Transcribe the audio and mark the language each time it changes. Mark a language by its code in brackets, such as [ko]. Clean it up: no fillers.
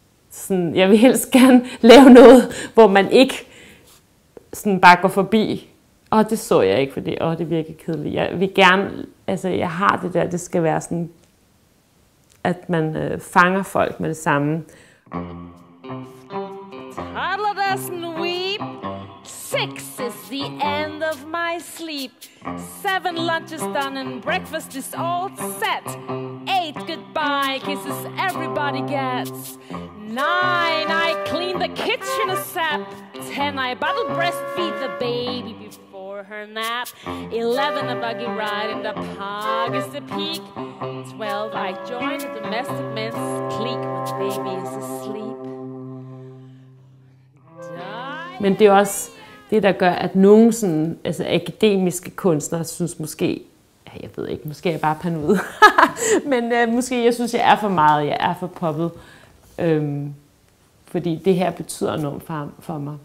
[da] Sådan, jeg vil helst gerne lave noget, hvor man ikke sådan bare går forbi. Og det så jeg ikke, fordi det virker kedeligt. Jeg vil gerne, altså jeg har det der, det skal være sådan, at man fanger folk med det samme. [en] Toddler doesn't weep. Six is the end of my sleep. Seven lunches done and breakfast is all set. Eight goodbye kisses everybody gets. Nine I clean the kitchen a sap. Ten I bottle breastfeed the baby before her nap. 11 a buggy ride and the park is the peak. 12 I join the domestic men's clique when the baby is asleep. [da] Men det er også det, der gør, at nogle sådan, altså akademiske kunstnere synes måske, ja, jeg ved ikke, måske er jeg bare panude, men måske jeg synes, jeg er for meget, jeg er for poppet, fordi det her betyder noget for mig.